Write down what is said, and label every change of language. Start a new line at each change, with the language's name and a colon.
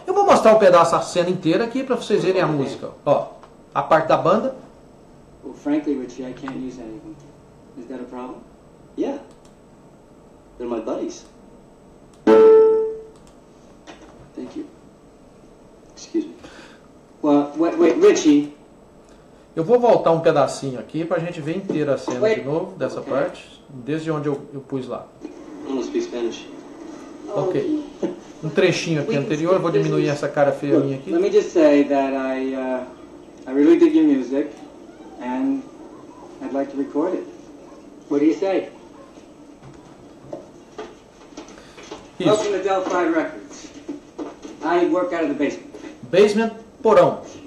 Portuguese: Eu vou mostrar um pedaço, a cena inteira aqui para vocês verem a música. Ó, a parte da banda.
English: Well, frankly, Richie, I can't use anything. Is that a problem? Yeah. They're my buddies. Thank you. Excuse me. Well, wait, Richie.
Portuguese: Eu vou voltar um pedacinho aqui pra gente ver inteira a cena de novo, dessa okay. parte, desde onde eu pus lá.
English: I don't speak Spanish. Ok.
Portuguese: Um trechinho aqui anterior, eu vou diminuir essa cara feia minha aqui.
English: Let me just say that I really dig your music, and I'd like to record it. What do you say?
Portuguese: Isso.
English: Welcome to Delphi Records. I work out of the basement.
Portuguese: Basement, porão.